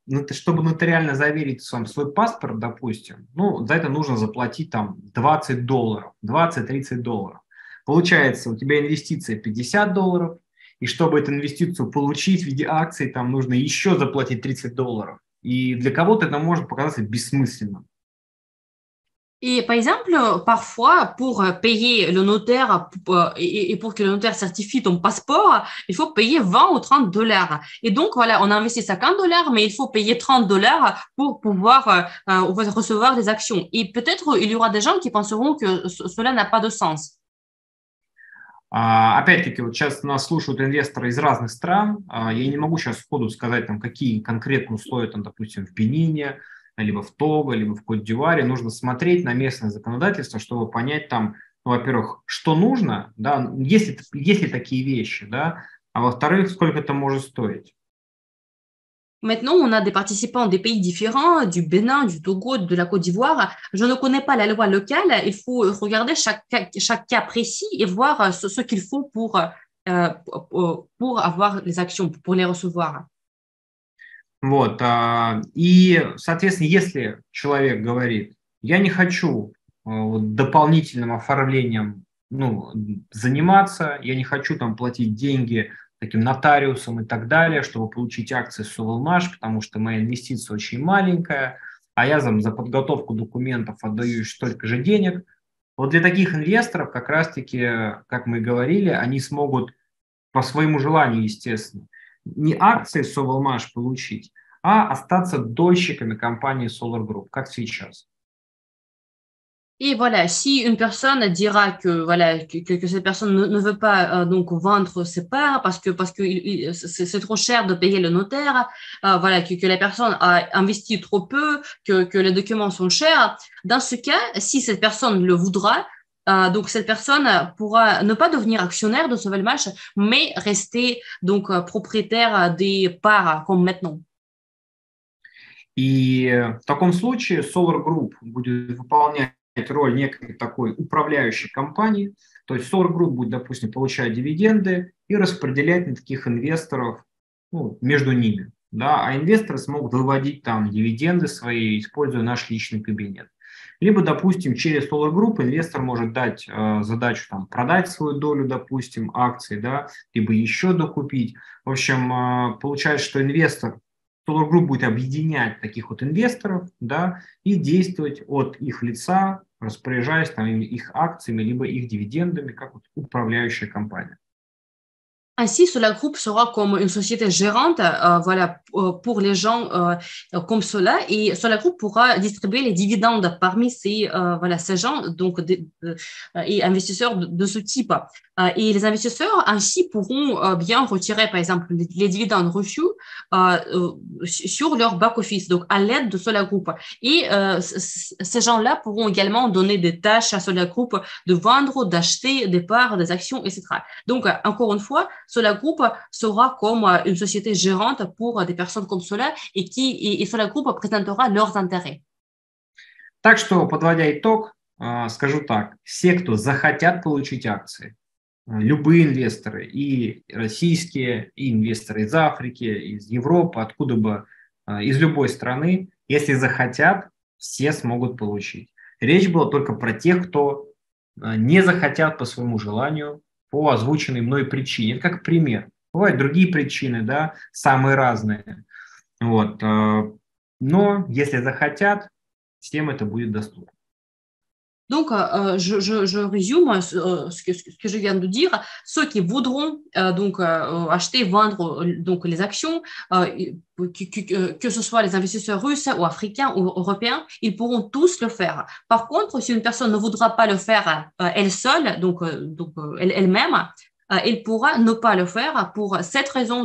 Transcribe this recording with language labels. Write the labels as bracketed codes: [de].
[ru] Чтобы нотариально заверить свой паспорт, допустим, ну, за это нужно заплатить там $20, $20-30. Получается, у тебя инвестиция $50, и чтобы эту инвестицию получить в виде акций, там нужно еще заплатить $30. И для кого-то это может показаться бессмысленным. [fr] Et par exemple, parfois, pour payer le notaire et pour que le notaire certifie ton passeport, il faut payer $20 or $30. Et donc, voilà, on a investi $50, mais il faut payer $30 pour pouvoir recevoir des actions. Et peut-être, il y aura des gens qui penseront que cela n'a pas de sens. [ru] Опять-таки, вот сейчас нас слушают инвесторы из разных стран. Я не могу сейчас сходу сказать, там, какие конкретно условия, там, допустим, в Бенине, либо в Того, либо в Кот-д'Ивуаре. Нужно смотреть на местное законодательство, чтобы понять там, ну, во-первых, что нужно, да, есть ли такие вещи, да, а во-вторых, сколько это может стоить. [fr] Maintenant, on a des participants des pays différents, du Bénin, du Togo, de la Côte d'Ivoire. Je ne connais pas la loi locale. Il faut regarder chaque cas précis et voir ce qu'il faut pour avoir les actions, pour les recevoir. [ru] Вот. И, соответственно, если человек говорит, я не хочу дополнительным оформлением, ну, заниматься, я не хочу там платить деньги таким нотариусом и так далее, чтобы получить акции Совелмаш, потому что моя инвестиция очень маленькая, а я за подготовку документов отдаю еще столько же денег. Вот для таких инвесторов как раз-таки, как мы говорили, они смогут по своему желанию, естественно, не акции Совелмаш получить, а остаться дольщиками компании Solar Group, как сейчас. [fr] Et voilà, si une personne dira que voilà que cette personne ne veut pas donc vendre ses parts parce que c'est trop cher de payer le notaire, voilà que la personne a investi trop peu, que les documents sont chers, dans ce cas, si cette personne le voudra, donc cette personne pourra ne pas devenir actionnaire de Sovelmash, mais rester donc propriétaire des parts comme maintenant. [ru] И в таком случае Solar Group будет выполнять роль некой такой управляющей компании, то есть Solar Group будет, допустим, получать дивиденды и распределять на таких инвесторов, ну, между ними, да, а инвесторы смогут выводить там дивиденды свои, используя наш личный кабинет. Либо, допустим, через Solar Group инвестор может дать задачу там продать свою долю, допустим, акций, да, либо еще докупить. В общем, получается, что инвестор Solar Group будет объединять таких вот инвесторов, да, и действовать от их лица, распоряжаясь там их акциями, либо их дивидендами, как вот управляющая компания. [fr] Ainsi, Solar Group sera comme une société gérante, voilà, pour les gens comme cela, et Solar Group pourra distribuer les dividendes parmi ces gens, donc et investisseurs de ce type. Et les investisseurs ainsi pourront bien retirer, par exemple, les dividendes reçus sur leur back office, donc à l'aide de Solar Group. Et ces gens-là pourront également donner des tâches à Solar Group de vendre, d'acheter des parts, des actions, etc. Donc, encore une fois, Solar Group sera comme une société gérante pour des personnes comme cela et Solar Group présentera leurs intérêts. [ru] Так что, подводя итог, скажу так, все, кто захотят получить акции, любые инвесторы, и российские, и инвесторы из Африки, из Европы, откуда бы, из любой страны, если захотят, все смогут получить. Речь была только про тех, кто не захотят по своему желанию, по озвученной мной причине. Это как пример. Бывают другие причины, да, самые разные. Вот. Но если захотят, всем это будет доступно. [fr] Donc, je résume ce que je viens de dire. Ceux qui voudront acheter, vendre donc, les actions, que ce soit les investisseurs russes ou africains ou européens, ils pourront tous le faire. Par contre, si une personne ne voudra pas le faire elle seule, elle-même, elle pourra ne pas le faire pour cette raison.